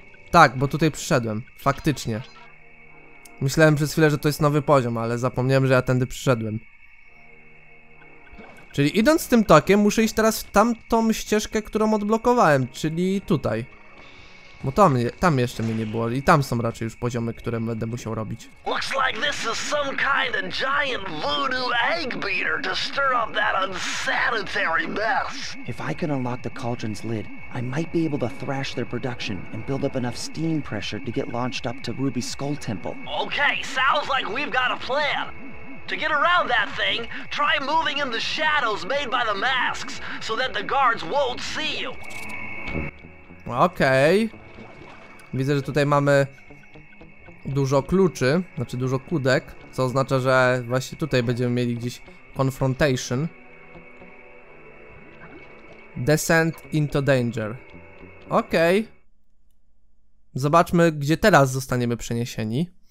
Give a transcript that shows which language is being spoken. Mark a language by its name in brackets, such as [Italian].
[Polish] Tak, bo tutaj przyszedłem, faktycznie. Myślałem przez chwilę, że to jest nowy poziom, ale zapomniałem, że ja tędy przyszedłem. Czyli idąc tym tokiem, muszę iść teraz w tamtą ścieżkę, którą odblokowałem, czyli tutaj. Bo tam, tam jeszcze mnie nie było i tam są raczej już poziomy, które będę musiał robić. [English] Looks like this is some kind of giant voodoo egg beater to stir up that unsanitary mess. If I can unlock the cauldron's lid, I might be able to thrash their production and build up enough steam pressure to get launched up to Ruby's skull temple. Okay, sounds like we've got a plan. To get around that thing, try moving in the shadows made by the masks so that the guards won't see you. Okej. [Polish] Widzę, że tutaj mamy dużo kluczy, znaczy dużo kudek, co oznacza, że właśnie tutaj będziemy mieli gdzieś confrontation. [English] Descent into danger. [Polish] Okej. Zobaczmy, gdzie teraz zostaniemy przeniesieni.